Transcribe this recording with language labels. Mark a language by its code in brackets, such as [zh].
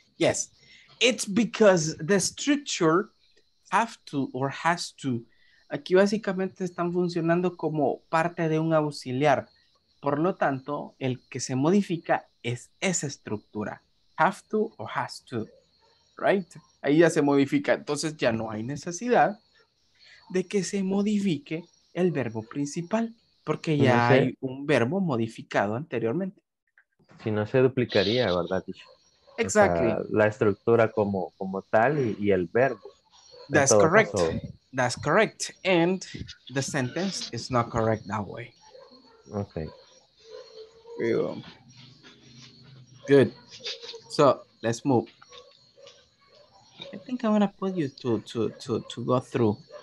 [en] Yes, it's because the structure have to or has to. [es] Aquí básicamente están funcionando como parte de un auxiliar. Por lo tanto, el que se modifica es esa estructura. [en] Have to or has to. Right? [es] Ahí ya se modifica. Entonces ya no hay necesidad de que se modifique el verbo principal. Porque ya no sé. Hay un verbo modificado anteriormente. Si no se duplicaría, ¿verdad? [en] Exactly. O [es] sea, la estructura como tal y el verbo. [en] That's correct. Caso. That's correct. And the sentence is not correct that way. Okay. Good. So let's move. I think I'm gonna put you to go through.